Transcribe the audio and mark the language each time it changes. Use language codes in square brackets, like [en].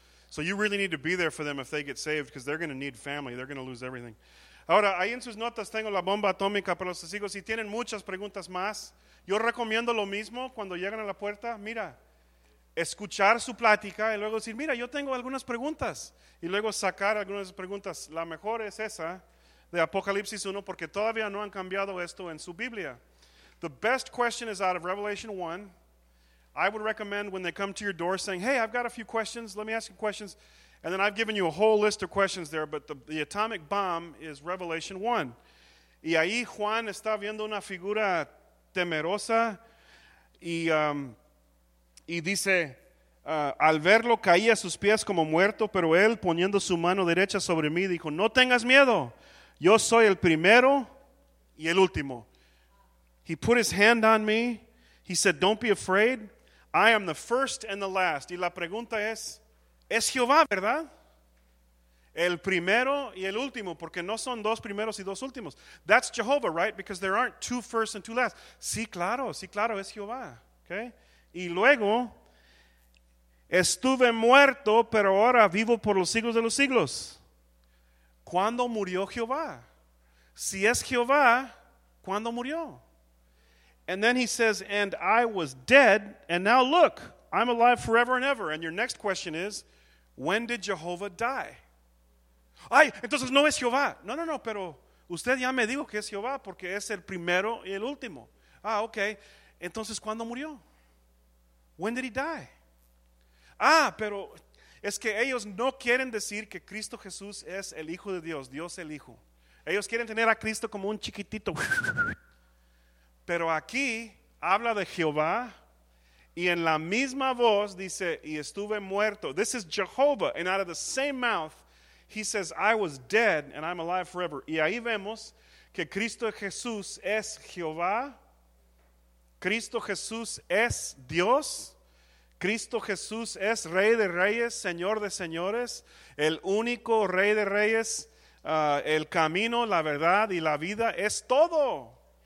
[en] So you really need to be there for them if they get saved because they're going to need family. They're going to lose everything. [es] Ahora, ahí en sus notas tengo la bomba atómica para los testigos. Si tienen muchas preguntas más, yo recomiendo lo mismo cuando llegan a la puerta. Mira, escuchar su plática y luego decir, mira, yo tengo algunas preguntas. Y luego sacar algunas preguntas. La mejor es esa de Apocalipsis 1 porque todavía no han cambiado esto en su Biblia. [en] The best question is out of Revelation 1. I would recommend when they come to your door saying, hey, I've got a few questions. Let me ask you questions. And then I've given you a whole list of questions there, but the atomic bomb is Revelation 1. [es] Y ahí Juan está viendo una figura temerosa y dice, al verlo caí a sus pies como muerto, pero él poniendo su mano derecha sobre mí dijo, no tengas miedo, yo soy el primero y el último. [en] He put his hand on me, he said, don't be afraid, I am the first and the last. [es] Y la pregunta es Jehová, ¿verdad? El primero y el último, porque no son dos primeros y dos últimos. [en] That's Jehovah, right? Because there aren't two first and two last. [es] Sí, claro, es Jehová. Okay? Y luego, estuve muerto, pero ahora vivo por los siglos de los siglos. ¿Cuándo murió Jehová? Si es Jehová, ¿cuándo murió? [en] And then he says, and I was dead, and now look, I'm alive forever and ever. And your next question is, when did Jehovah die? [es] Ay, entonces no es Jehová. No, pero usted ya me dijo que es Jehová porque es el primero y el último. Ah, okay. Entonces, ¿cuándo murió? [en] When did he die? [es] Ah, pero es que ellos no quieren decir que Cristo Jesús es el Hijo de Dios, Dios el Hijo. Ellos quieren tener a Cristo como un chiquitito. Pero aquí habla de Jehová y en la misma voz dice, y estuve muerto. [en] This is Jehovah, and out of the same mouth, he says, I was dead and I'm alive forever. [es] Y ahí vemos que Cristo Jesús es Jehová. Cristo Jesús es Dios. Cristo Jesús es Rey de Reyes, Señor de Señores. El único Rey de Reyes, el camino, la verdad y la vida es todo.